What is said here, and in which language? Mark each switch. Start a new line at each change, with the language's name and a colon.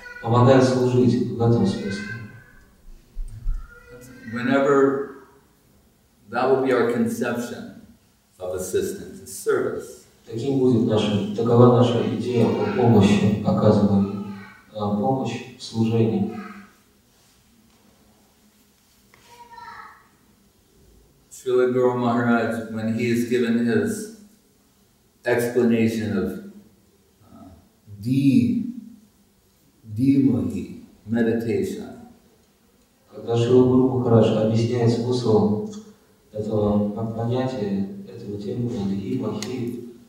Russian: Помогает служить в этом смысле.
English: Whenever that would be our conception of assistance, service.
Russian: Таким будет наша, такова наша идея о помощи, оказываемой помощь в служении.
English: Srila Guru Maharaj, when he is given his explanation of dhimahi meditation.
Russian: Когда Srila Guru Maharaj объясняет смысл этого понятия, этого термина dhimahi,